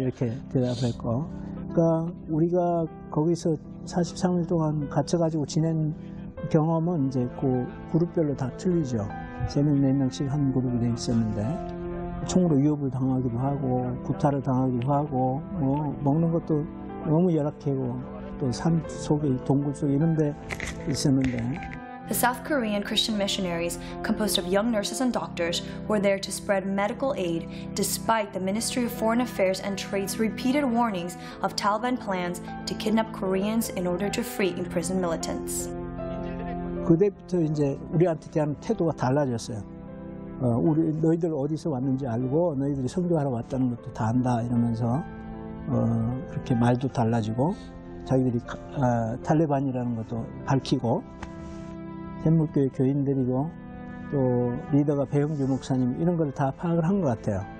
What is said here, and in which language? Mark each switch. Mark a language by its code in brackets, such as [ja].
[ko] 이렇게 대답했고 그러니까 우리가 거기서 43일 동안 갇혀가지고 지낸 경험은 이제 그 그룹별로 다 틀리죠. 3명, 4명씩 한 그룹이 돼 있었는데 총으로 위협을 당하기도 하고 구타를 당하기도 하고 뭐 먹는 것도 너무 열악하고 또 산 속에 동굴 속에 이런 데 있었는데 [en] The South Korean Christian missionaries, composed of young nurses and doctors, were there to spread medical aid despite the Ministry of Foreign Affairs and Trade's repeated warnings of Taliban plans to kidnap Koreans in order to free imprisoned militants. [ko] 그때부터 이제 우리한테 대한 태도가 달라졌어요. 우리 너희들 어디서 왔는지 알고 너희들이 선교하러 왔다는 것도 다 안다 이러면서 그렇게 말도 달라지고 자기들이 탈레반이라는 것도 밝히고 샘물교회 교인들이고 또 리더가 배영규 목사님 이런 걸 다 파악을 한 것 같아요.